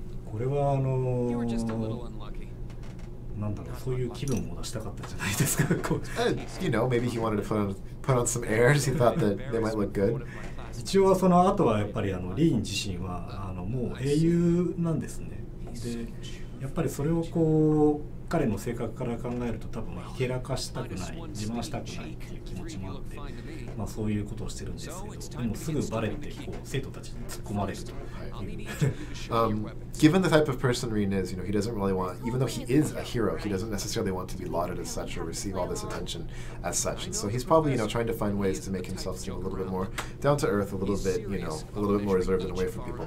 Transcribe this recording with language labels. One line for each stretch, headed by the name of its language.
Japanese: これはなんだろう、そういう気分を出したかったじゃないですか。
English: You know, maybe he wanted to put on some airs. He thought that they might look good.
Japanese: 一応はその後はやっぱりリーン自身はもう英雄なんですね。で、やっぱりそれをこう彼の性格から考えると多分ひけらかしたくない、自慢したくないっていう気持ちもあって、まあそういうことをしてるんですけど、でもすぐバレてこう生徒たちに突っ込まれると。
English: Given the type of person Rin is, you know, he doesn't really want, even though he is a hero, he doesn't necessarily want to be lauded as such or receive all this attention as such. And so he's probably, you know, trying to find ways to make himself seem a little bit more down to earth, a little bit, you know, a little bit more reserved and away from people.